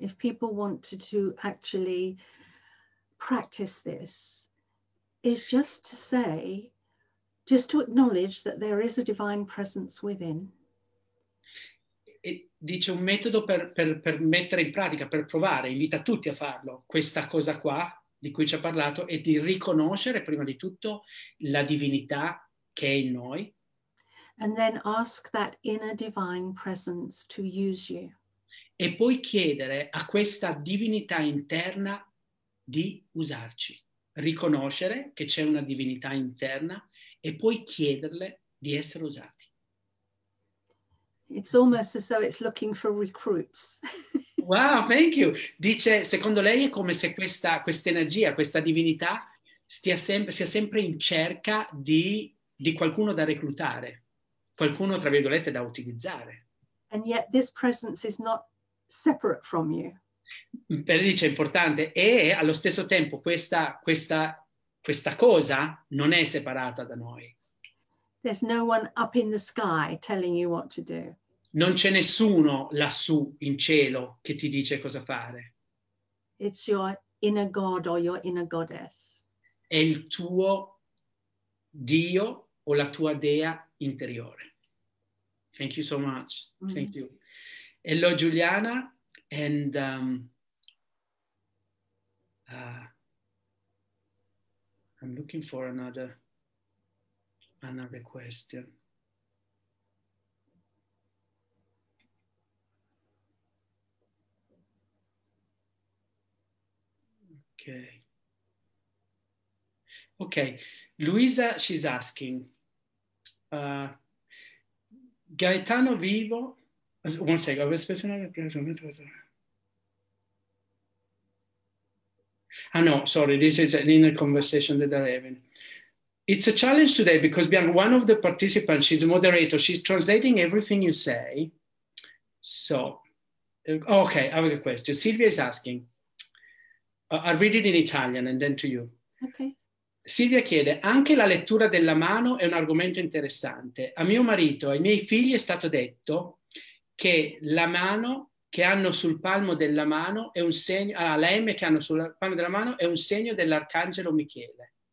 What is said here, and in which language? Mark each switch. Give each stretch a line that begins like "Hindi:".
English: If people wanted to actually practice this, is just to say, just to acknowledge that there is a divine presence within.
Italian: E dice un metodo per mettere in pratica, per provare, invita tutti a farlo, questa cosa qua di cui ci ha parlato, è di riconoscere prima di tutto la divinità che è in noi.
English: And then ask that inner divine presence to use you.
Italian: E poi chiedere a questa divinità interna di usarci. Riconoscere che c'è una divinità interna e poi chiederle di essere usati.
English: It's almost as though it's looking for recruits. Wow, thank you.
Italian: Dice, secondo lei è come se questa energia, questa divinità sia sempre in cerca di qualcuno da reclutare, qualcuno tra virgolette da utilizzare.
English: And yet this presence is not separate from you.
Italian: Per lì c'è importante, e allo stesso tempo questa cosa non è separata da noi.
English: There's no one up in the sky telling you what to do.
Italian: Non c'è nessuno lassù in cielo che ti dice cosa fare.
English: It's your inner god or your inner goddess.
Italian: È il tuo dio o la tua dea interiore.
English: Thank you so much. Mm-hmm. Thank you. Hello, Giuliana. And I'm looking for another question. Okay. Luisa, she's asking, Gaetano Vivo. One second, I was supposed to know the person. Oh, no, sorry, this is an inner conversation that I'm having. It's a challenge today because Bianca, one of the participants, she's a moderator, she's translating everything you say. So, okay, I have a question. Silvia is asking, I'll read it in Italian and then to you. Okay.
Italian: Silvia chiede, anche la lettura della mano è un argomento interessante. A mio marito, ai miei figli è stato detto che la mano che hanno sul palmo della mano è un segno, la M che hanno sul palmo della mano è un segno dell'arcangelo Michele.